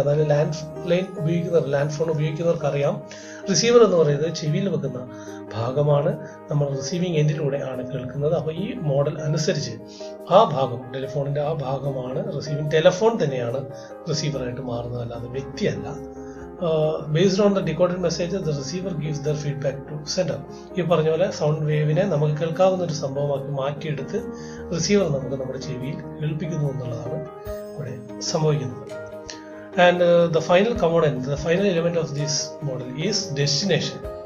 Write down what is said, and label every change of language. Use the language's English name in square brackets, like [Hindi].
[Malayalam] അതായത് land line ഉപയോഗിക്കുന്നവർ, land phone ഉപയോഗിക്കുന്നവർക്ക് അറിയാം റിസീവർ എന്ന് പറയുന്നത് ചെവിയിൽ വെക്കുന്ന ഭാഗമാണ്, നമ്മൾ റിസീവിങ് എൻഡിലൂടെ ആണ് കേൾക്കുന്നത്. അപ്പോൾ ഈ മോഡൽ അനുസരിച്ച് ആ ഭാഗം, ടെലിഫോണിൻ്റെ ആ ഭാഗമാണ് റിസീവിങ്, ടെലിഫോൺ തന്നെയാണ് റിസീവറായിട്ട് മാറുന്നത്, അല്ലാതെ വ്യക്തിയല്ല. [English] Based on the decoded message, the receiver gives their feedback to sender. [Malayalam] ഈ പറഞ്ഞ പോലെ സൗണ്ട് വേവിനെ നമുക്ക് കേൾക്കാവുന്ന ഒരു സംഭവമാക്കി മാറ്റിയെടുത്ത് റിസീവർ നമുക്ക് നമ്മുടെ ചെവിയിൽ കേൾപ്പിക്കുന്നു എന്നുള്ളതാണ് ഇവിടെ സംഭവിക്കുന്നത്. [English] And the final component, the final element of this model is destination.